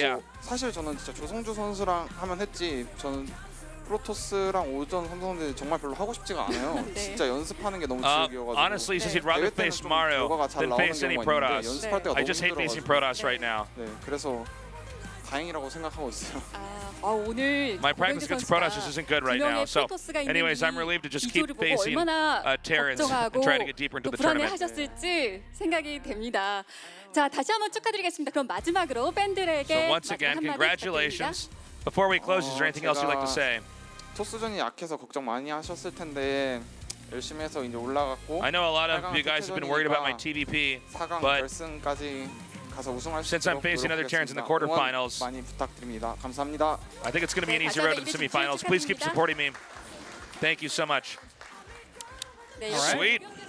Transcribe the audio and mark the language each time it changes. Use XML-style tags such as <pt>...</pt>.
<en>Oh, yeah.</en> <ko>사실 저는 진짜 조성주 선수랑 하면 했지 저는 프로토스랑 오전 삼성대 정말 별로 하고 싶지가 않아요. 네. 진짜 연습하는 게 너무 지옥이어가지고</ko> <en>Honestly, he said rather face Mario than face any Protoss.</en> <ko>연습할 때가</ko> <en>I just hate facing Protoss right now.</en> <ko>네, 그래서 다행이라고 생각하고 있어요. 아, 오늘</ko> <en>My practice against Protoss isn't good right now. So, anyways, I'm relieved to just keep facing Terrans and try to get deeper into the tournament.</en> <ko>불안해하셨을지 생각이 됩니다. 자, 다시 한번 축하드리겠습니다. 그럼 마지막으로 팬들에게</ko> <en>So once again, congratulations. Before we close, is there anything else you'd like to say?</en> <ko>토스전이 약해서 걱정 많이 하셨을 텐데 열심히 해서 이제 올라갔고.</ko> <en>I know a lot of you guys have been worried about my TVP, but</en> <ko>결승까지.</ko> <en>Since I'm facing other Terrans in the quarterfinals, I think it's going to be an easy road to the semifinals. Please keep supporting me. Thank you so much. All right. Sweet.</en>